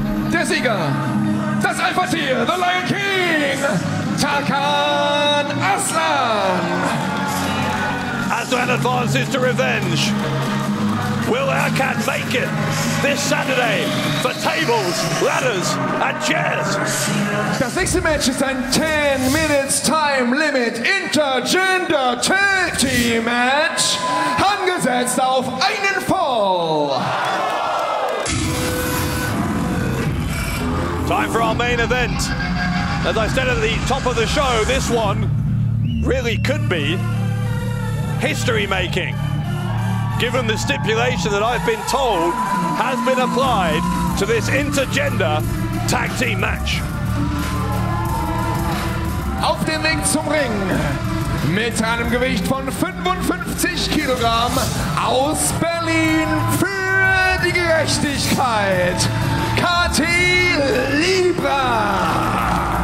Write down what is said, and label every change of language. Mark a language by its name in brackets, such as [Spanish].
[German] Der Sieger, das Alpha-Tier, [English] the Lion King, [German] Tarkan Aslan. [English] Aslan advances to revenge. Will Erkan make it this Saturday for tables, ladders and chairs? [German] Das nächste Match ist ein [English] 10 Minutes Time Limit Intergender Tag Team Match. [German] Angesetzt auf einen Fall. [English] Time for our main event. As I said at the top of the show, this one really could be history making, given the stipulation that I've been told has been applied to this intergender tag team match. [German] Auf den Weg zum Ring, mit einem Gewicht von 55 Kilogramm, aus Berlin für die Gerechtigkeit, Kati Libra!